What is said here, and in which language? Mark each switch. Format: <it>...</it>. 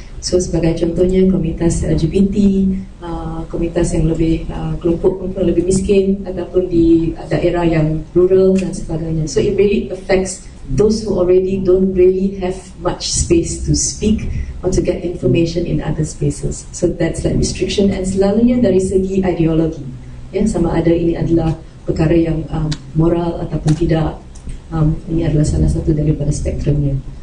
<ms>So sebagai contohnya komunitas LGBT, komunitas yang lebih kelompok-kelompok lebih miskin ataupun di daerah yang rural dan sebagainya.</ms> <en>So it really affects those who already don't really have much space to speak or to get information in other spaces. So that's like restriction, and</en> <ms>selalunya dari segi ideologi. Ya, sama ada ini adalah perkara yang moral ataupun tidak, ini adalah salah satu daripada spektrumnya.</ms>